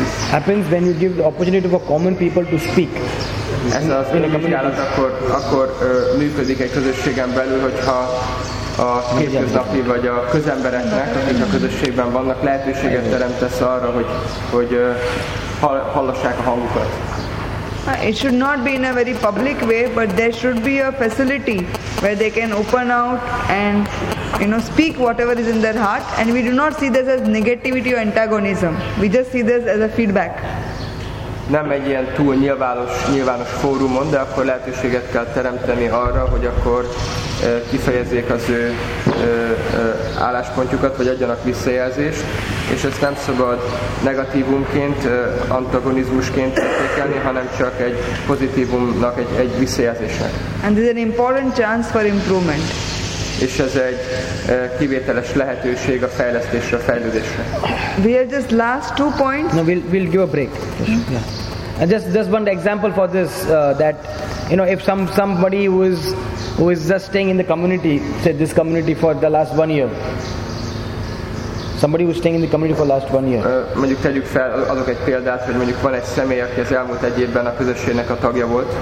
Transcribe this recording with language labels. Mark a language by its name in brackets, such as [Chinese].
[English] happens when you give the opportunity for common people to speak. [Hungarian] Ez az önvizsgálat akkor működik egy közösségen belül, hogyha a hétköznapi vagy a közembereknek, akik a közösségben vannak, lehetőséget teremtesz arra, hogy hallassák a hangukat. [English] It should not be in a very public way, but there should be a facility where they can open out and, you know, speak whatever is in their heart. And we do not see this as negativity or antagonism. We just see this as a feedback. [Hungarian] Nem egy ilyen túl nyilvános fórumon, de akkor lehetőséget kell teremteni arra, hogy akkor kifejezzék az ő álláspontjukat, vagy adjanak visszajelzést. És ezt nem szabad negatívumként, antagonizmusként értékelni, hanem csak egy pozitívumnak, egy visszajelzésnek. [English] And this is an important chance for improvement. [Hungarian] És ez egy kivételes lehetőség a fejlesztésre, a fejlődésre. [English] We are just last two points. No, we'll give a break. Yeah. And just one example for this, that, you know, if somebody who is just staying in the community, say this community for the last 1 year, somebody who is staying in the community for last 1 year. [Hungarian] Mondjuk tegyük fel, adok egy példát, hogy mondjuk van egy személy, aki az elmúlt egy évben a közösségnek a tagja volt.